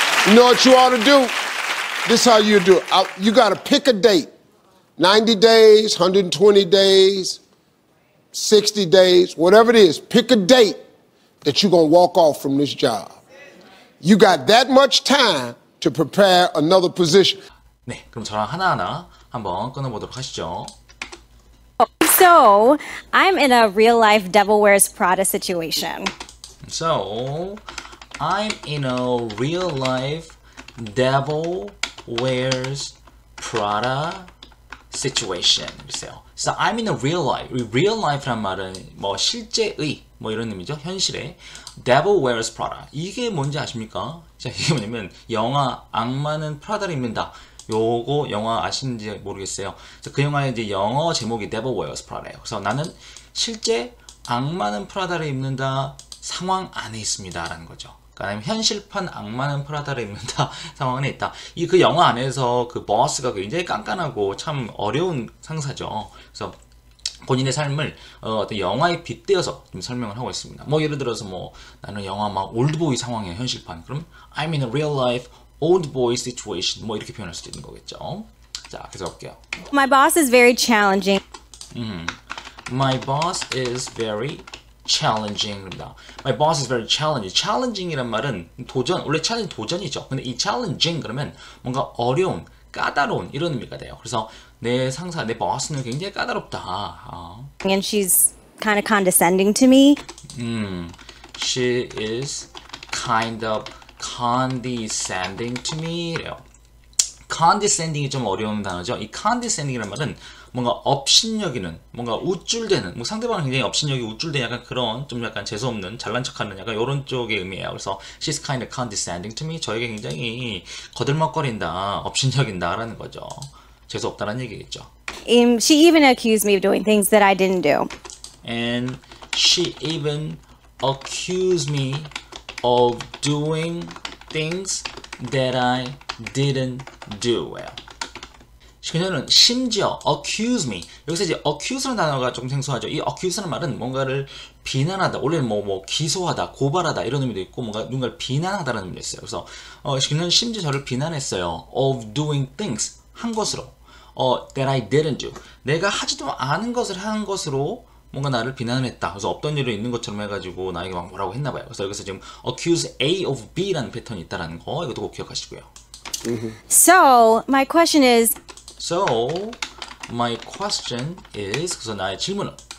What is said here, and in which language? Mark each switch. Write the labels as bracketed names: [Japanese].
[English] You know what you ought to do? This is how you do it. You got to pick a date. 90 days, 120 days, 60 days, whatever it is, pick a date that you're going to walk off from this job. You got that much time to prepare another position. [Korean] 네, 그럼 저랑 하나하나 한번 끊어보도록 하시죠. [English] So, I'm in a real-life Devil Wears Prada situation. So, I'm in a real-life Devil Wears Prada situation. So I'm in a real life. [Korean] Real life란 말은 뭐 실제의 뭐 이런 의미죠. 현실의 Devil Wears Prada. 이게 뭔지 아십니까? 자, 이게 뭐냐면 영화 악마는 프라다를 입는다. 요거 영화 아시는지 모르겠어요. 그래서 그 영화의 이제 영어 제목이 Devil Wears Prada예요. 그래서 나는 실제 악마는 프라다를 입는다 상황 안에 있습니다라는 거죠. 그러니까 현실판 악마는 프라다를 입는다 상황 안에 있다. 이 그 영화 안에서 그 버스가 굉장히 깐깐하고 참 어려운 상사죠. 그래서 본인의 삶을 어떤 영화에 빗대어서 좀 설명을 하고 있습니다. 뭐 예를 들어서 뭐 나는 영화 막 올드보이 상황이에요, 현실판. 그럼 [English] I'm in a real life old boy situation. [Korean] 뭐 이렇게 표현할 수도 있는 거겠죠. 자, 계속 볼게요. [English] My boss is very challenging. My boss is very challenging. My boss is very challenging. [Korean] Challenging이란 말은 도전, 원래 challenge 도전이죠. 근데 이 challenging 그러면 뭔가 어려운, 까다로운 이런 의미가 돼요. 그래서 내 상사, 내 boss는 굉장히 까다롭다. [English] And she's kind of condescending to me. She is kind of condescending to me. [Korean] Condescending이 좀 어려운 단어죠. 이 condescending이란 말은 뭔가 업신여기는, 뭔가 우쭐대는, 뭐 상대방은 굉장히 업신여기 우쭐대 약간 그런 좀 약간 재수없는, 잘난 척하는 약간 이런 쪽의 의미예요. 그래서 [English] she's kind of condescending to me. [Korean] 저에게 굉장히 거들먹거린다, 업신여긴다라는 거죠. 재수없다는 얘기겠죠. [English] She even accused me of doing things that I didn't do. And she even accused me of doing things that I didn't do well. [Korean] 그녀는 심지어 [English] accuse me. [Korean] 여기서 이제 accuse라는 단어가 좀 생소하죠. 이 accuse라는 말은 뭔가를 비난하다, 원래 뭐 기소하다, 고발하다 이런 의미도 있고 뭔가 누군가를 비난하다라는 의미도 있어요. 그래서 그녀는 심지어 저를 비난했어요. [English] Of doing things [Korean] 한 것으로, [English] that I didn't do. [Korean] 내가 하지도 않은 것을 한 것으로 뭔가 나를 비난을 했다. 그래서 없던 일을 있는 것처럼 해가지고 나에게 막 뭐라고 했나 봐요. 그래서 여기서 지금 accuse A of B라는 패턴이 있다라는 거 이것도 꼭 기억하시고요. [English] So my question is. So, my question is, [Korean] 그래서 나의 질문은?